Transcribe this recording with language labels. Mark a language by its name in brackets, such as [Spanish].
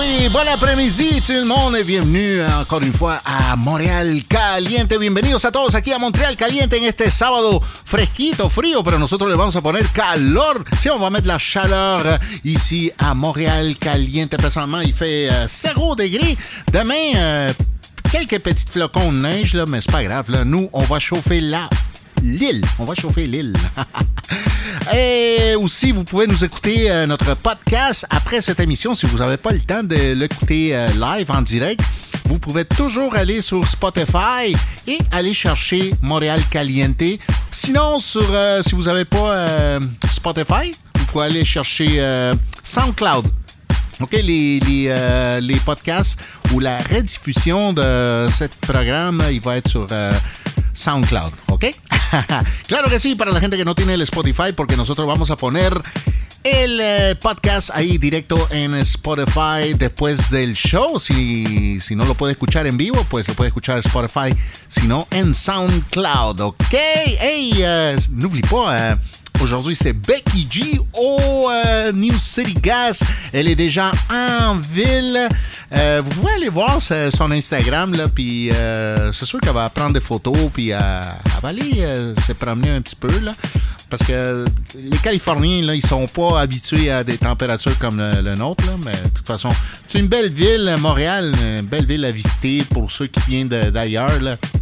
[French] Bon après-midi tout le monde et bienvenue encore une fois à Montréal Caliente. [Spanish] Bienvenidos a todos aquí a Montréal Caliente en este sábado fresquito, frío, pero nosotros le vamos a poner calor. [French] Sí, on va mettre la chaleur ici à Montréal Caliente. Personnellement, il fait 0 degrés. Demain, quelques petits flocons de neige, là, mais c'est pas grave. Là. Nous, on va chauffer l'île. On va chauffer l'île. Et aussi, vous pouvez nous écouter notre podcast après cette émission. Si vous n'avez pas le temps de l'écouter live en direct, vous pouvez toujours aller sur Spotify et aller chercher Montréal Caliente. Sinon, sur si vous n'avez pas Spotify, vous pouvez aller chercher SoundCloud. OK, les podcasts ou la rediffusion de ce programme, il va être sur SoundCloud, ¿ok? [Spanish] Claro que sí, para la gente que no tiene el Spotify, porque nosotros vamos a poner el podcast ahí directo en Spotify después del show. Si no lo puede escuchar en vivo, pues lo puede escuchar en Spotify, si no en SoundCloud, ¿ok? [French] Hey, n'oublie pas, aujourd'hui c'est Becky G au New City Gas. Elle est déjà en ville. Vous pouvez aller voir son Instagram, là, puis c'est sûr qu'elle va prendre des photos, puis elle va aller se promener un petit peu, là, parce que les Californiens, là, ils sont pas habitués à des températures comme le nôtre, là, mais de toute façon, c'est une belle ville, Montréal, une belle ville à visiter pour ceux qui viennent d'ailleurs, là.